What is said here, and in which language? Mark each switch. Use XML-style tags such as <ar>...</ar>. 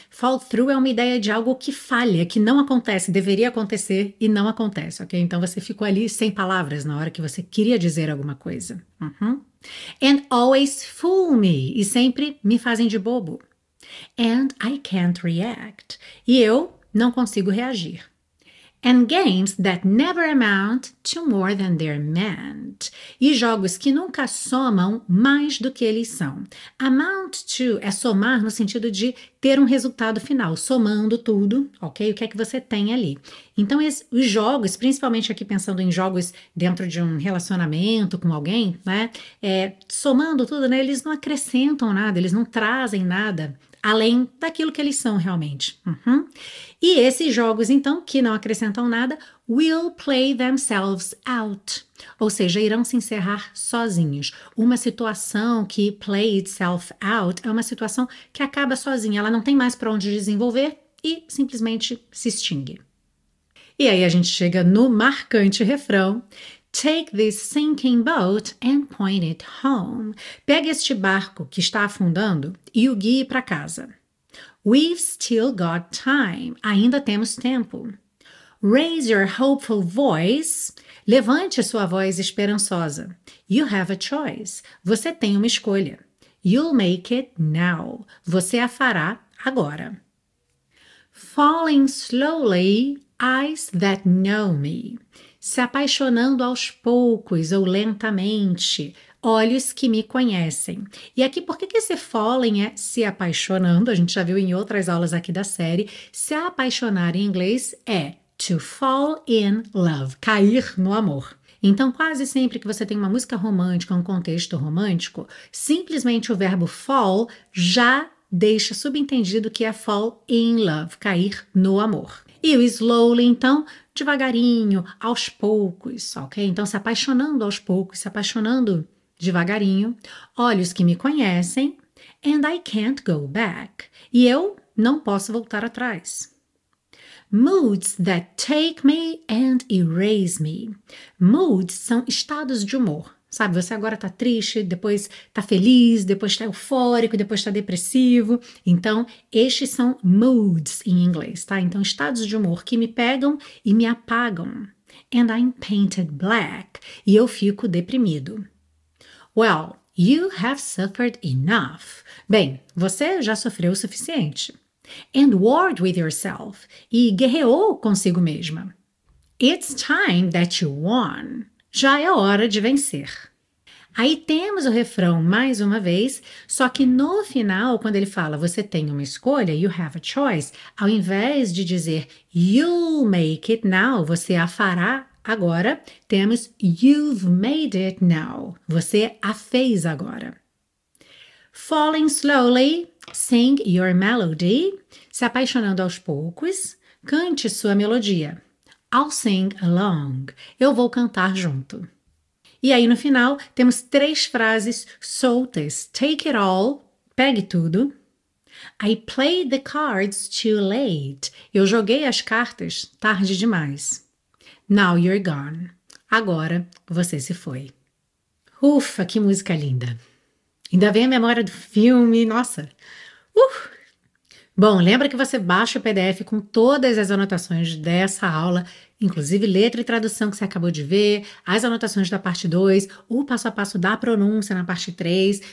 <pt>Fall through é uma ideia de algo que falha, que não acontece, deveria acontecer e não acontece, ok? Então você ficou ali sem palavras na hora que você queria dizer alguma coisa.</pt> <en>And always fool me.</en> <pt>E sempre me fazem de bobo.</pt> <en>And I can't react.</en> <pt>E eu não consigo reagir.</pt> <en>And games that never amount to more than they're meant.</en> <pt>E jogos que nunca somam mais do que eles são. Amount to é somar no sentido de ter um resultado final, somando tudo, ok? O que é que você tem ali? Então, os jogos, principalmente aqui pensando em jogos dentro de um relacionamento com alguém, né? Somando tudo, né? Eles não acrescentam nada, eles não trazem nada além daquilo que eles são realmente. E esses jogos, então, que não acrescentam nada,</pt> <en>will play themselves out.</en> <pt>Ou seja, irão se encerrar sozinhos. Uma situação que</pt> <en>play itself out</en> <pt>é uma situação que acaba sozinha. Ela não tem mais para onde desenvolver e simplesmente se extingue. E aí a gente chega no marcante refrão.</pt> <en>Take this sinking boat and point it home.</en> <pt>Pegue este barco que está afundando e o guie para casa.</pt> <en>We've still got time.</en> <pt>Ainda temos tempo.</pt> <en>Raise your hopeful voice.</en> <pt>Levante a sua voz esperançosa.</pt> <en>You have a choice.</en> <pt>Você tem uma escolha.</pt> <en>You'll make it now.</en> <pt>Você a fará agora.</pt> <en>Falling slowly, eyes that know me.</en> <pt>Se apaixonando aos poucos ou lentamente, Olhos que me conhecem. E aqui, por que esse falling é se apaixonando? A gente já viu em outras aulas aqui da série. Se apaixonar em inglês é</pt> <en>to fall in love,</en> <pt>cair no amor. Então, quase sempre que você tem uma música romântica, um contexto romântico, simplesmente o verbo fall já deixa subentendido que é</pt> <en>fall in love,</en> <pt>cair no amor. E o slowly, então, devagarinho, aos poucos, ok? Então, se apaixonando aos poucos, se apaixonando devagarinho, olhos que me conhecem,</pt> <en>and I can't go back,</en> <pt>e eu não posso voltar atrás.</pt> <en>Moods that take me and erase me.</en> <pt>Moods são estados de humor. Sabe, você agora tá triste, depois tá feliz, depois tá eufórico, depois tá depressivo. Então, estes são moods em inglês, tá? Então, estados de humor que me pegam e me apagam.</pt> <en>And I'm painted black.</en> <pt>E eu fico deprimido.</pt> <en>Well, you have suffered enough.</en> <pt>Bem, você já sofreu o suficiente.</pt> <en>And warred with yourself.</en> <pt>E guerreou consigo mesma.</pt> <en>It's time that you won.</en> <pt>Já é hora de vencer. Aí temos o refrão mais uma vez, só que no final, quando ele fala você tem uma escolha,</pt> <en>you have a choice,</en> <pt>ao invés de dizer</pt> <en>you'll make it now,</en> <pt>você a fará agora, temos</pt> <en>you've made it now,</en> <pt>você a fez agora.</pt> <en>Falling slowly, sing your melody.</en> <pt>Se apaixonando aos poucos, cante sua melodia.</pt> <en>I'll sing along.</en> <pt>Eu vou cantar junto. E aí no final, temos três frases soltas.</pt> <en>Take it all.</en> <pt>Pegue tudo.</pt> <en>I played the cards too late.</en> <pt>Eu joguei as cartas tarde demais.</pt> <en>Now you're gone.</en> <pt>Agora você se foi. Ufa, que música linda. Ainda vem a memória do filme. Nossa. Bom, lembra que você baixa o PDF com todas as anotações dessa aula, inclusive letra e tradução que você acabou de ver, as anotações da parte 2, o passo a passo da pronúncia na parte 3.</pt>